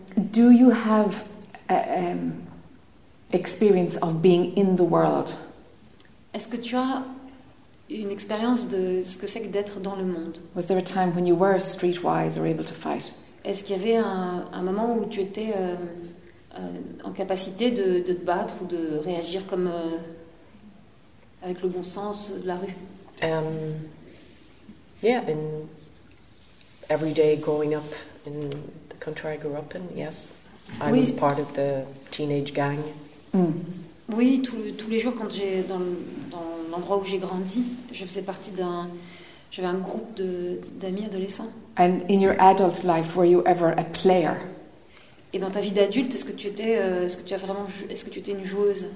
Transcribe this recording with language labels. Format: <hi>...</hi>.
<en>Do you have experience of being in the world?</en> <fr>Est-ce que tu as une expérience de ce que c'est que d'être dans le monde?</fr> <en>Was there a time when you were streetwise or able to fight?</en> <fr>Est-ce qu'il y avait un moment où tu étais en capacité de te battre ou de réagir comme avec le bon sens de la rue?</fr> <en>Yeah, in every day growing up in country I grew up in, yes. I was part of the teenage gang. Mm.</en> <fr>Oui, tous les jours quand j'ai dans l'endroit où j'ai grandi, je faisais partie d'un, j'avais un groupe d'amis adolescents.</fr> <en>And in your adult life, were you ever a player?</en> <fr>Et dans ta vie d'adulte, est-ce que tu étais une joueuse?</fr>